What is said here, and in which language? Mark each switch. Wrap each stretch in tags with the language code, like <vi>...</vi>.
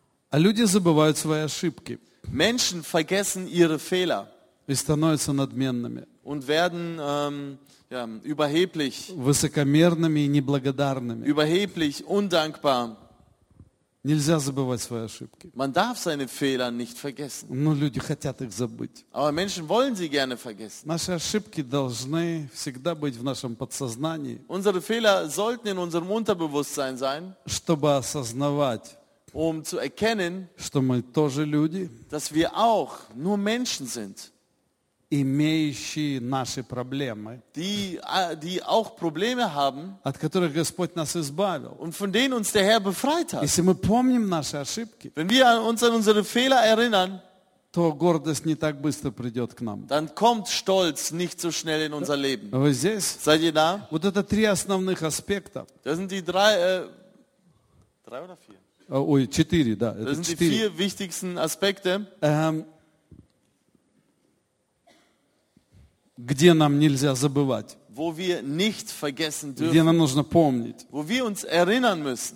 <ru>А люди забывают свои ошибки.</ru> <de>Menschen vergessen ihre Fehler</de> <ru>и становятся надменными.</ru> <de>Und werden überheblich,</de> <ru>высокомерными и неблагодарными.</ru> <de>Überheblich, undankbar.</de> <ru>Нельзя забывать свои ошибки.</ru> <de>Man darf seine Fehler nicht vergessen.</de> <ru>Но люди хотят их забыть.</ru> <de>Aber Menschen wollen sie gerne vergessen.</de> <ru>Наши ошибки должны всегда быть в нашем подсознании.</ru> <de>Unsere Fehler sollten in unserem Unterbewusstsein sein,</de> <ru>чтобы осознавать,</ru> <de>um zu erkennen,</de> <ru>что мы тоже люди,</ru> <de>dass wir auch nur Menschen sind,</de> <ru>имеющие наши проблемы,</ru> <de>die auch Probleme haben,</de> <ru>от которых Господь нас избавил,</ru> <de>und von denen uns der Herr befreit hat.</de> <ru>Если мы помним наши ошибки,</ru> <de>wenn wir uns an unsere Fehler erinnern,</de> <ru>то гордость не так быстро придет к нам.</ru> <de>Dann kommt Stolz nicht so schnell in unser Leben.</de> <ru>Вы здесь?</ru> <de>Seid ihr da?</de> <ru>Вот это три основных аспекта.</ru> <de>Das sind die drei, drei oder vier?</de> <ru>Ой, четыре, да. Это</ru> <de>sind</de> <ru>четыре.</ru> <de>Die vier wichtigsten Aspekte.</de> <ru>Где нам нельзя забывать?</ru> <de>Wo wir nicht vergessen dürfen.</de> <ru>Где нам нужно помнить?</ru> <de>Wo wir uns erinnern müssen.</de>